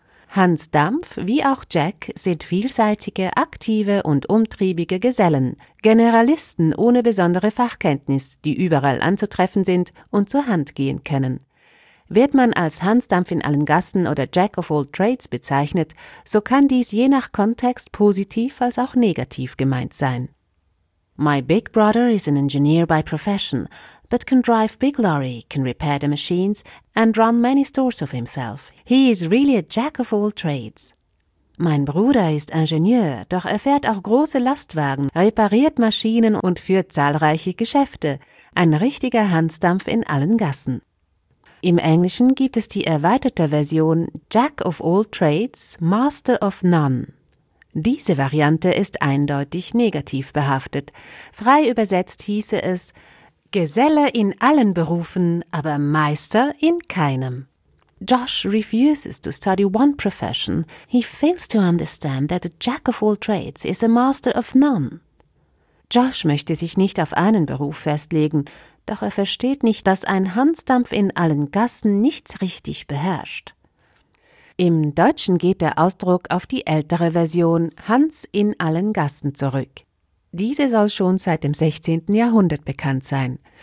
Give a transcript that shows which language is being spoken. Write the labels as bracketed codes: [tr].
[de] Hans Dampf wie auch Jack sind vielseitige, aktive und umtriebige Gesellen, Generalisten ohne besondere Fachkenntnis, die überall anzutreffen sind und zur Hand gehen können. Wird man als Hans Dampf in allen Gassen oder [en] Jack of all trades [de] bezeichnet, so kann dies je nach Kontext positiv als auch negativ gemeint sein. [en] My big brother is an engineer by profession, but can drive big lorry, can repair the machines and run many stores of himself. He is really a jack of all trades. [de] Mein Bruder ist Ingenieur, doch er fährt auch große Lastwagen, repariert Maschinen und führt zahlreiche Geschäfte. Ein richtiger Hans Dampf in allen Gassen. Im Englischen gibt es die erweiterte Version [en] Jack of all trades, master of none. [de] Diese Variante ist eindeutig negativ behaftet. Frei übersetzt hieße es Geselle in allen Berufen, aber Meister in keinem. [en] Josh refuses to study one profession. He fails to understand that a jack of all trades is a master of none. [de] Josh möchte sich nicht auf einen Beruf festlegen, doch er versteht nicht, dass ein Hans Dampf in allen Gassen nichts richtig beherrscht. Im Deutschen geht der Ausdruck auf die ältere Version Hans in allen Gassen zurück. Diese soll schon seit dem 16. Jahrhundert bekannt sein.